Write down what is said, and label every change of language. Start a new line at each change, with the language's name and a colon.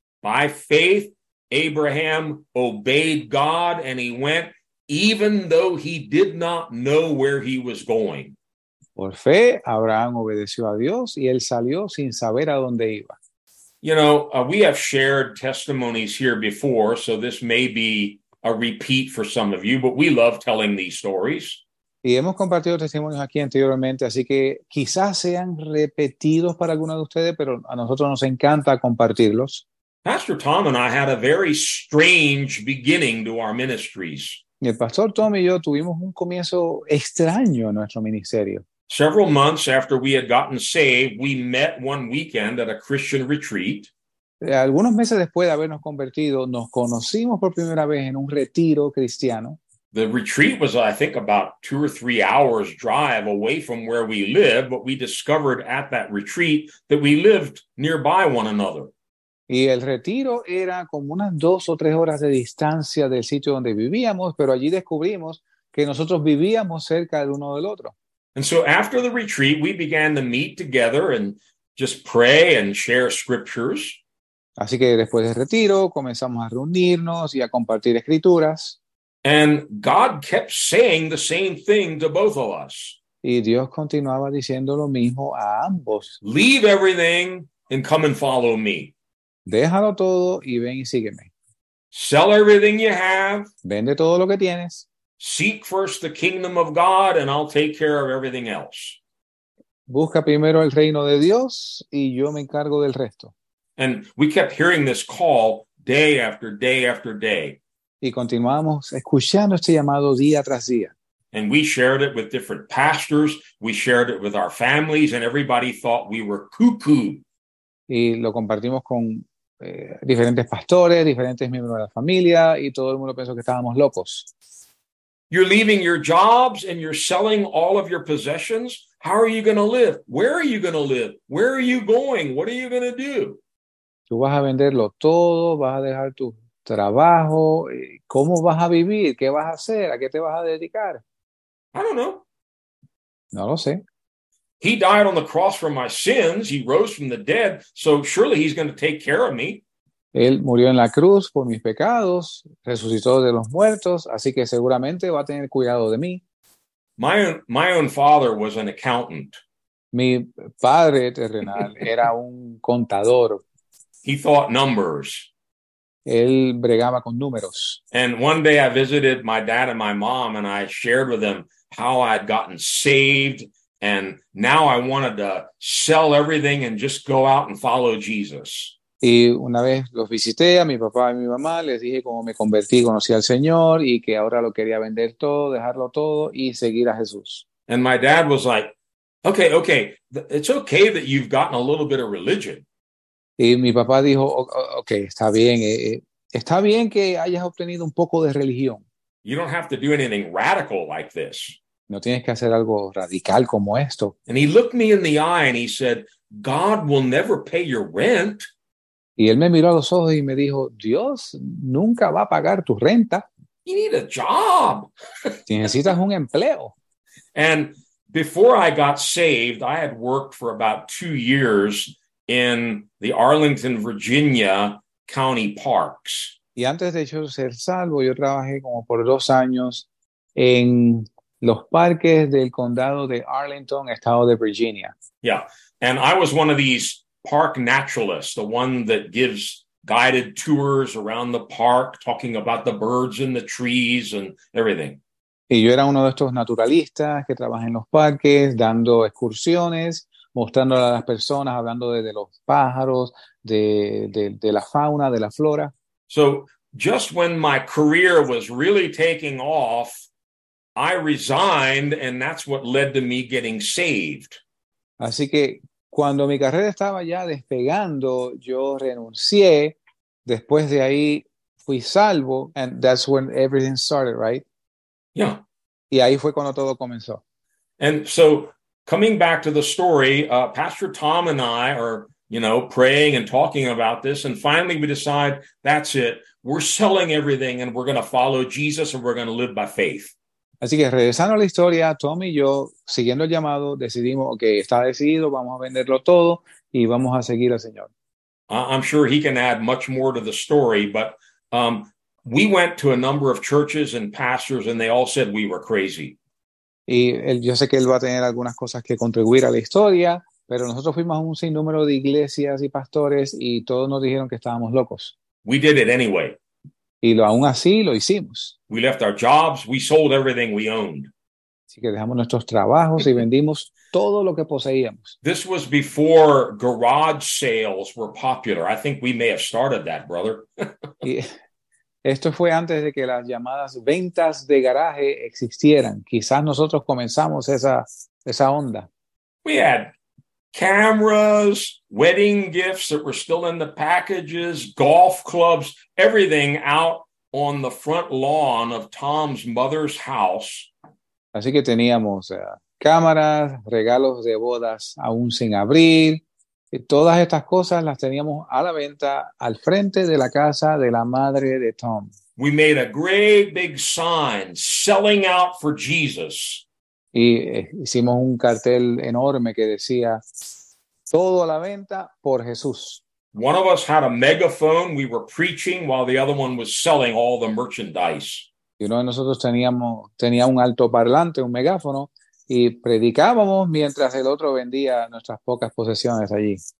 English: By faith, Abraham obeyed God and he went, even though he did not know where he was going.
Spanish: Por fe, Abraham obedeció a Dios y él salió sin saber a dónde iba.
English: You know, we have shared testimonies here before, so this may be a repeat for some of you, but we love telling these stories.
Spanish: Y hemos compartido testimonios aquí anteriormente, así que quizás sean repetidos para algunos de ustedes, pero a nosotros nos encanta compartirlos.
English: Pastor Tom and I had a very strange beginning to our ministries.
Spanish: Y el pastor Tom y yo tuvimos un comienzo extraño en nuestro ministerio.
English: Several months after we had gotten saved, we met one weekend at a Christian retreat.
Spanish: Algunos meses después de habernos convertido, nos conocimos por primera vez en un retiro cristiano.
English: The retreat was, I think, about 2 or 3 hours drive away from where we live, but we discovered at that retreat that we lived nearby one another.
Spanish: Y el retiro era como unas 2 o 3 horas de distancia del sitio donde vivíamos, pero allí descubrimos que nosotros vivíamos cerca del uno del otro.
English: And so after the retreat, we began to meet together and just pray and share scriptures.
Spanish: Así que después del retiro, comenzamos a reunirnos y a compartir escrituras.
English: And God kept saying the same thing to both of us.
Spanish: Y Dios continuaba diciendo lo mismo a ambos.
English: Leave everything and come and follow me.
Spanish: Déjalo todo y ven y sígueme.
English: Sell everything you have.
Spanish: Vende todo lo que tienes.
English: Seek first the kingdom of God and I'll take care of everything else.
Spanish: Busca primero el reino de Dios y yo me encargo del resto.
English: And we kept hearing this call day after day after day.
Spanish: Y continuamos escuchando este llamado día tras día.
English: And we shared it with different pastors, we shared it with our families, and everybody thought we were cuckoo.
Spanish: Y lo compartimos con diferentes pastores, diferentes miembros de la familia, y todo el mundo pensó que estábamos locos.
English: You're leaving your jobs and you're selling all of your possessions. How are you going to live? Where are you going to live? Where are you going? What are you going to do?
Spanish: Tú vas a venderlo todo, vas a dejar tu trabajo, ¿cómo vas a vivir? ¿Qué vas a hacer? ¿A qué te vas a dedicar?
English: I don't know.
Spanish: No lo sé.
English: He died on the cross for my sins. He rose from the dead. So surely he's going to take care of me.
Spanish: Él murió en la cruz por mis pecados. Resucitó de los muertos. Así que seguramente va a tener cuidado de mí.
English: My own father was an accountant.
Spanish: Mi padre terrenal era un contador.
English: He thought numbers.
Spanish: Él bregaba con números.
English: And one day I visited my dad and my mom and I shared with them how I had gotten saved and now I wanted to sell everything and just go out and follow Jesus.
Spanish: Y una vez los visité a mi papá y mi mamá, les dije cómo me convertí, conocí al Señor y que ahora lo quería vender todo, dejarlo todo y seguir a Jesús.
English: And my dad was like, okay, it's okay that you've gotten a little bit of religion.
Spanish: Y mi papá dijo, okay, está bien que hayas obtenido un poco de religión.
English: You don't have to do anything radical like this.
Spanish: No tienes que hacer algo radical como esto.
English: And he looked me in the eye and he said, God will never pay your rent.
Spanish: Y él me miró a los ojos y me dijo, Dios nunca va a pagar tu renta.
English: You need a job.
Spanish: Si necesitas un empleo.
English: And before I got saved, I had worked for about 2 years in the Arlington, Virginia county parks.
Spanish: Y antes de yo ser salvo, yo trabajé como por 2 años en los parques del condado de Arlington, estado de Virginia.
English: Yeah, and I was one of these park naturalists, the one that gives guided tours around the park, talking about the birds and the trees and everything.
Spanish: Y yo era uno de estos naturalistas que trabaja en los parques, dando excursiones, mostrándole a las personas, hablando de los pájaros, de la fauna, de la flora.
English: So, just when my career was really taking off, I resigned, and that's what led to me getting saved.
Spanish: Así que, cuando mi carrera estaba ya despegando, yo renuncié. Después de ahí, fui salvo,
English: and that's when everything started, right? Yeah.
Spanish: Y ahí fue cuando todo comenzó.
English: And so, coming back to the story, Pastor Tom and I are, you know, praying and talking about this, and finally we decide, that's it. We're selling everything, and we're going to follow Jesus, and we're going to live by faith.
Spanish: Así que regresando a la historia, Tom y yo, siguiendo el llamado, decidimos, ok, está decidido, vamos a venderlo todo y vamos a seguir al Señor.
English: I'm sure he can add much more to the story, but we went to a number of churches and pastors and they all said we were crazy.
Spanish: Y él, yo sé que él va a tener algunas cosas que contribuir a la historia, pero nosotros fuimos a un sinnúmero de iglesias y pastores y todos nos dijeron que estábamos locos.
English: We did it anyway.
Spanish: Y lo, aún así lo hicimos.
English: We left our jobs, we sold everything we owned.
Spanish: Así que dejamos nuestros trabajos y vendimos todo lo que poseíamos.
English: This was before garage sales were popular. I think we may have started that, brother.
Spanish: Y esto fue antes de que las llamadas ventas de garaje existieran. Quizás nosotros comenzamos esa onda.
English: We had cameras, wedding gifts that were still in the packages, golf clubs, everything out on the front lawn of Tom's mother's house.
Spanish: Así que teníamos cámaras, regalos de bodas aún sin abrir. Y todas estas cosas las teníamos a la venta al frente de la casa de la madre de Tom.
English: We made a great big sign selling out for Jesus.
Spanish: Y hicimos un cartel enorme que decía todo a la venta por Jesús.
English: One of us had a megaphone. We were preaching while the other one was selling all the merchandise.
Spanish: Y uno de nosotros tenía un altoparlante, un megáfono, y predicábamos mientras el otro vendía nuestras pocas posesiones allí.